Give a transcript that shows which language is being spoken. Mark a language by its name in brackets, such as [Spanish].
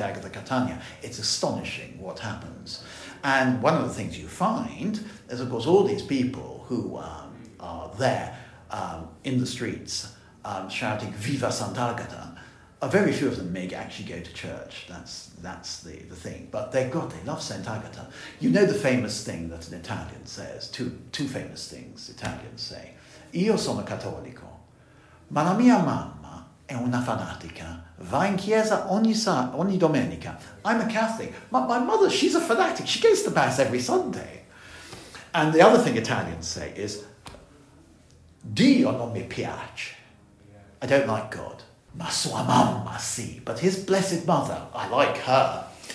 [English] Agatha Catania, it's astonishing what happens. And one of the things you find is, of course, all these people who are there in the streets shouting, [Italian] Viva Sant'Agata. [English] Very few of them may actually go to church. That's the thing. But they love Sant'Agata. You know the famous thing that an Italian says, two famous things Italians say. [Italian] Io sono cattolico, ma la mia mamma è una fanatica, va in chiesa ogni domenica. [English] I'm a Catholic, but my mother, she's a fanatic, she goes to mass every Sunday. And the other thing Italians say is, [Italian] Dio non mi piace, [English] I don't like God, [Italian] ma sua mamma sì, [English] but his blessed mother, I like her.